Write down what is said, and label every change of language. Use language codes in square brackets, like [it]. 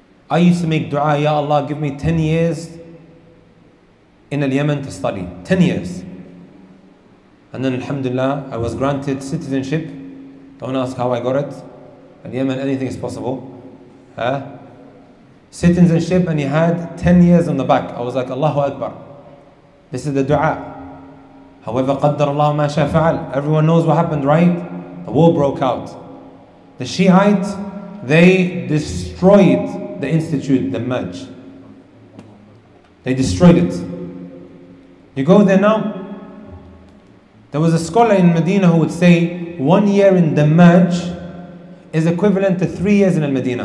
[en] I used to make dua, Ya Allah, give me 10 years in Yemen to study. 10 years. And then Alhamdulillah, I was granted citizenship. Don't ask how I got it. In Yemen, anything is possible. Huh? Citizenship, and he had 10 years on the back. I was like, Allahu Akbar. This is the dua. [ar] However, قَدَّرَ اللَّهُ مَا شَاءَ فَعَلَ. [en] Everyone knows what happened, right? The war broke out. The Shiites, they destroyed the institute, the Maj. They destroyed it. You go there now, there was a scholar in Medina who would say, 1 year in the Maj is equivalent to 3 years in Al-Medina.